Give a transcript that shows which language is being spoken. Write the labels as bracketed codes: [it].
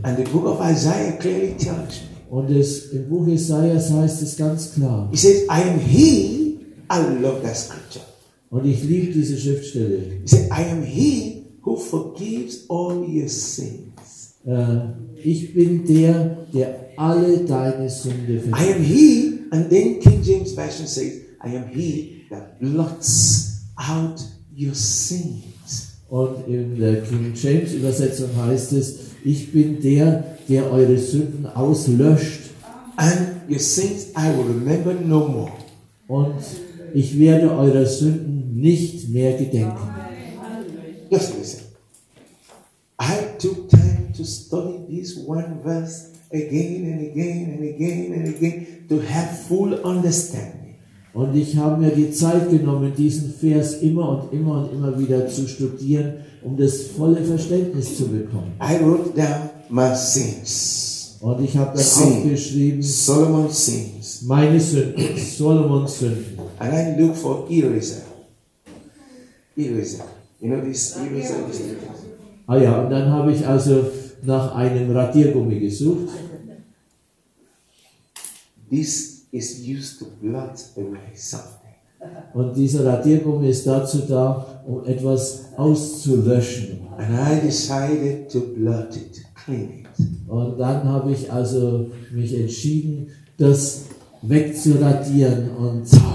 [en] And the book of Isaiah clearly tells me. [de] Und es, im Buch Jesaja heißt es ganz klar. [en] He says, I am he. I love that scripture. [de] Und ich liebe diese Schriftstelle. [en] He says, I am he who forgives all your sins. [de] Ich bin der, der alle deine Sünde vergibt. [en] I am he. And then King James Version says, I am he that blots out your sins. [de] Und in der King James Übersetzung heißt es, ich bin der, der eure Sünden auslöscht. [en] And your sins I will remember no more. [de] Und ich werde eurer Sünden nicht mehr gedenken. [en] Just listen. I took time to study this one verse again and again and again and again to have full understanding. [de] Und ich habe mir die Zeit genommen, diesen Vers immer und immer und immer wieder zu studieren, um das volle Verständnis zu bekommen. [en] I wrote down my sins. [de] Und ich habe dann aufgeschrieben, [en] Solomon's sins. [de] Meine Sünden, Solomon's Sünden. [en] And I look for eraser. Eraser. You know this eraser? [de] Ah ja, und dann habe ich also nach einem Radiergummi gesucht. [en] This is used to blot away something. [de] Und dieser Radiergummi ist dazu da, um etwas auszulöschen. [en] And I decided to blot it, clean it. [de] Und dann habe ich also mich entschieden, das wegzuradieren und